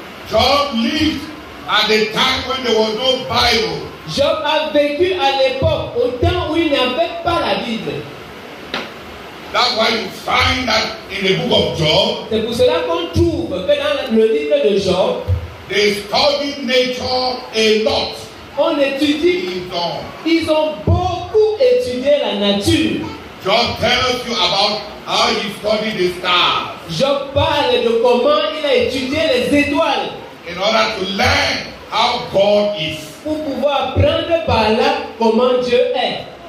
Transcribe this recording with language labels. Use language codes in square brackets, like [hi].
[en] Job lived at the time when there was no Bible. [fr] Job a vécu à l'époque, au temps où il n'y avait pas la Bible. [en] That's why you find that in the book of Job. [fr] C'est pour cela qu'on trouve que dans le livre de Job, [en] they studied nature a lot. [fr] On étudie. Ils ont beaucoup étudié la nature. [en] Job tells you about how he studied the stars. [fr] Job parle de comment il a étudié les étoiles. [en] In order to learn how God is. [fr] Pour pouvoir apprendre par là comment Dieu est.